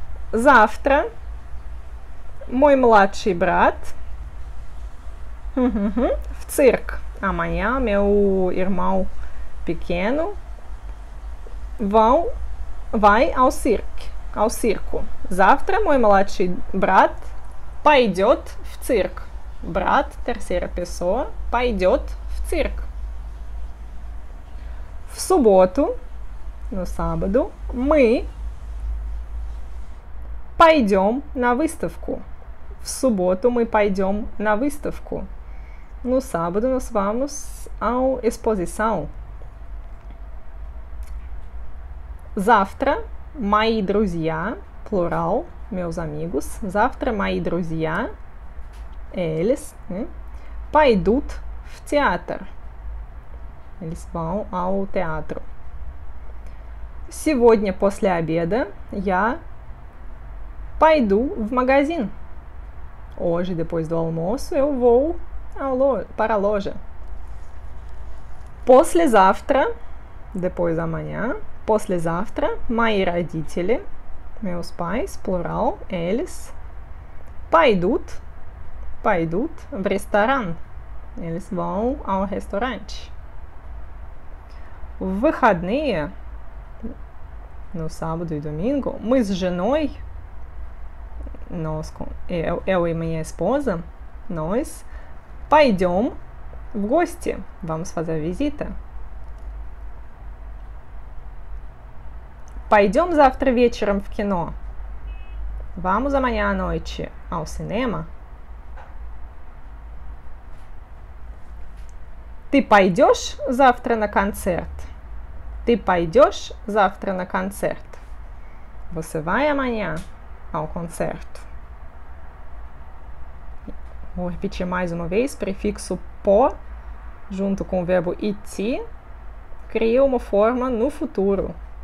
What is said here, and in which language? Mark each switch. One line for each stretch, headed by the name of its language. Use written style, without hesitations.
Russian: Завтра, мой младший брат, в цирк.
Portuguese: Аманhã, meu irmão pequeno, vai ao cirque, ao circo.
Russian: Завтра, мой младший брат, пойдет в цирк. Брат,
Portuguese: terceira pessoa,
Russian: пойдет в цирк. В субботу,
Portuguese: no sábado,
Russian: мы пойдем на выставку. В субботу мы пойдем на выставку.
Portuguese: No sábado nós vamos à exposição.
Russian: Завтра, мои друзья, plural,
Portuguese: meus amigos.
Russian: Завтра, мои друзья.
Portuguese: Eles, né?
Russian: Пойдут в театр.
Portuguese: Eles vão ao teatro.
Russian: Сегодня после обеда я пойду в магазин.
Portuguese: Hoje, depois do almoço, eu vou para a loja.
Russian: Послезавтра,
Portuguese: depois amanhã,
Russian: послезавтра, мои родители,
Portuguese: meus pais,
Russian: plural, eles, пойдут пойдут в ресторан.
Portuguese: Eles vão a um restaurante.
Russian: В выходные,
Portuguese: no sábado e domingo,
Russian: мы с женой,
Portuguese: eu e minha esposa, nós пойдем в гости. Vamos fazer visita.
Russian: Пойдем завтра вечером в кино.
Portuguese: Vamos amanhã à noite ao cinema?
Russian: Ты пойдешь завтра на концерт? Ты пойдешь завтра на концерт?
Portuguese: Você vai amanhã ao concerto? Vou repetir mais uma vez. Prefixo po junto com o verbo iti cria uma forma no futuro.